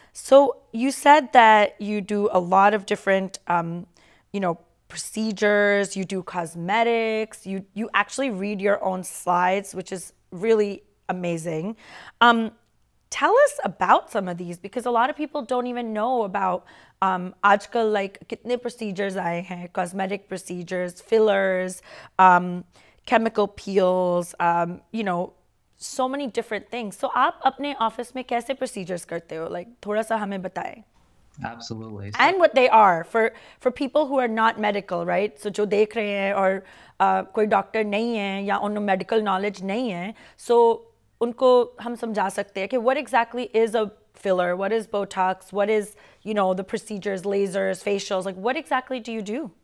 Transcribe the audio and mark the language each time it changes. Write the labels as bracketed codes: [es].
[en] So you said that you do a lot of different, you know, procedures, you do cosmetics, you actually read your own slides, which is really amazing. Tell us about some of these, because a lot of people don't even know about aajkal, like, [hi] kitne procedures aaye hain, [en] cosmetic procedures, fillers, chemical peels, you know, so many different things. [hi] सो आप अपने office में कैसे procedures करते हो? Like, थोड़ा सा हमे बताएं. [en] Absolutely. So. And what they are for people who are not medical, right? So [hi] जो देख रहे हैं और कोई डॉक्टर नहीं है या उनको medical knowledge नहीं है, so उनको हम समझा सकते है कि [en] what exactly is a filler, what is Botox, what is, you know, the procedures, lasers, facials, like, what exactly do you do?